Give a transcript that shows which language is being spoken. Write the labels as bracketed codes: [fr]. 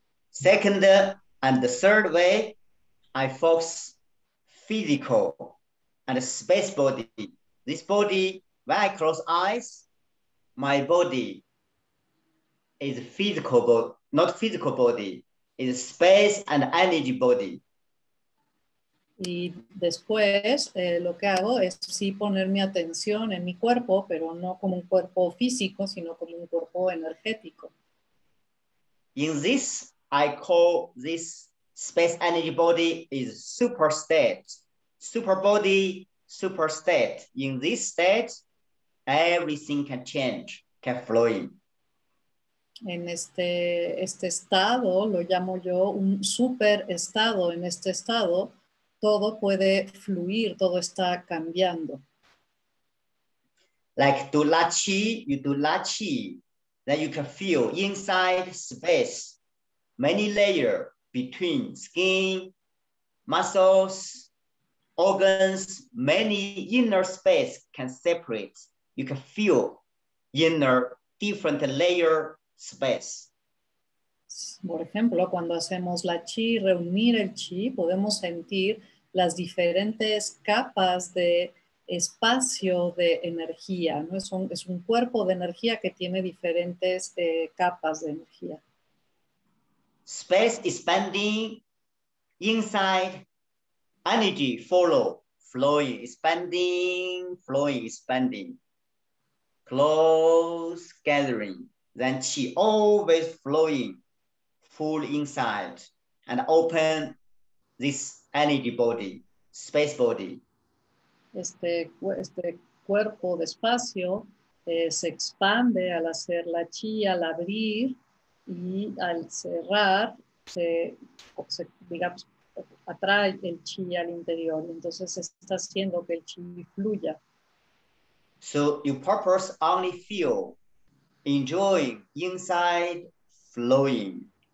[en] Second and the third way, I focus physical and space body. This body, when I close eyes, my body is physical, not physical body, is space and energy body. [es] Y después lo que hago es sí poner mi atención en mi cuerpo, pero no como un cuerpo físico, sino como un cuerpo energético. [en] In this, I call this space energy body is super state. Super body, super state. In this state, everything can change, can flow in. [es] En este estado lo llamo yo un super estado. En este estado todo puede fluir, todo está cambiando. [en] Like do la chi, you do la chi, then you can feel inside space, many layer between skin, muscles, organs, many inner space can separate. You can feel inner different layer space. [es] Por ejemplo, cuando hacemos la chi, reunir el chi, podemos sentir las diferentes capas de espacio de energía, ¿no? Es un cuerpo de energía que tiene diferentes capas de energía. [en] Space expanding inside, energy follow, flowing, expanding, close, gathering, then chi always flowing, full inside, and open this energy body, space body. [es] Este cuerpo de espacio se expande al hacer la chi, al abrir, y al cerrar, se digamos, atrae el chi al interior. Entonces, está haciendo que el chi fluya. [en] So, your purpose only feel, enjoying, inside, flowing.